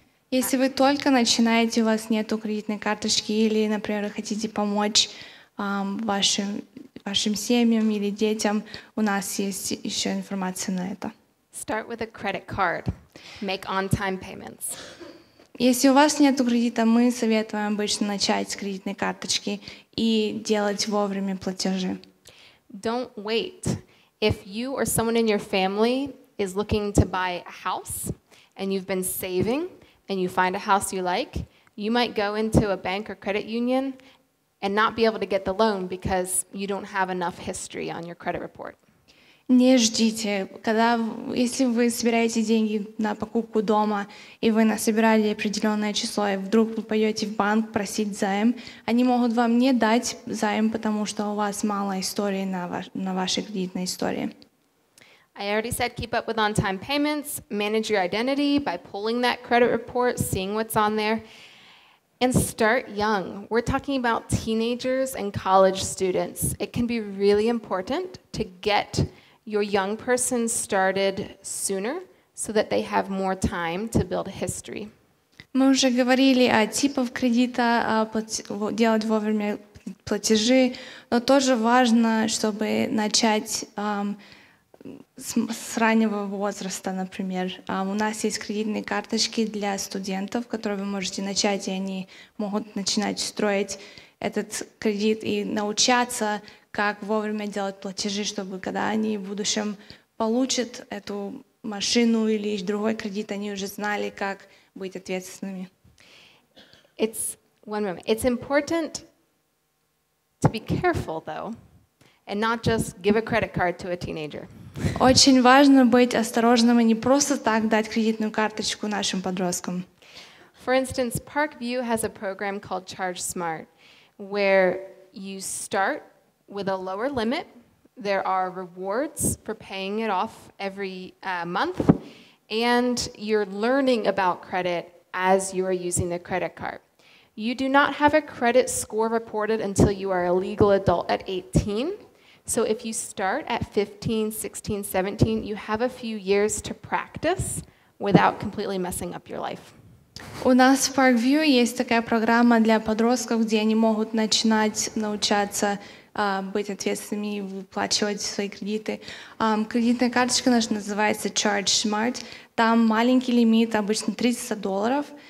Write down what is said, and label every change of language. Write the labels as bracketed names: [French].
[Russian] Если вы только начинаете, у вас нету кредитной карточки, или, например, хотите помочь вашим семьям или детям, у нас есть еще информация на это. [English] Start with a credit card. Make on-time payments. [Russian] Если у вас нету кредита, мы советуем обычно начать с кредитной карточки и делать вовремя платежи. [English] Don't wait. If you or someone in your family is looking to buy a house and you've been saving and you find a house you like, you might go into a bank or credit union and not be able to get the loan because you don't have enough history on your credit report. [Russian] Не ждите, если вы собираете деньги на покупку дома, и вы насобирали определенное число, и вдруг вы пойдете в банк просить займ, они могут вам не дать займ, потому что у вас мало истории на вашей кредитной истории. [English] I already said keep up with on-time payments, manage your identity by pulling that credit report, seeing what's on there, and start young. We're talking about teenagers and college students. It can be really important to get your young person started sooner so that they have more time to build a history. [Russian] Мы уже говорили о типах кредита, о делать вовремя платежи, но тоже важно, чтобы начать с раннего возраста, например. У нас есть кредитные карточки для студентов, которые вы можете начать, и они могут начинать строить этот кредит и научаться, как вовремя делать платежи, чтобы когда они в будущем получат эту машину или другой кредит, они уже знали, как быть ответственными. [English] It's one moment. It's important to be careful, though, and not just give a credit card to a teenager. [Russian] Очень важно быть осторожным и не просто так дать кредитную карточку нашим подросткам. [English] For instance, Parkview has a program called Charge Smart, where you start with a lower limit, there are rewards for paying it off every month, and you're learning about credit as you are using the credit card. You do not have a credit score reported until you are a legal adult at 18. So if you start at 15, 16, 17, you have a few years to practice without completely messing up your life. [Russian] У нас в Parkview есть такая программа для подростков, где они могут начинать научаться быть ответственными и выплачивать свои кредиты. Кредитная карточка наша называется Charge Smart. Там маленький лимит, обычно $30.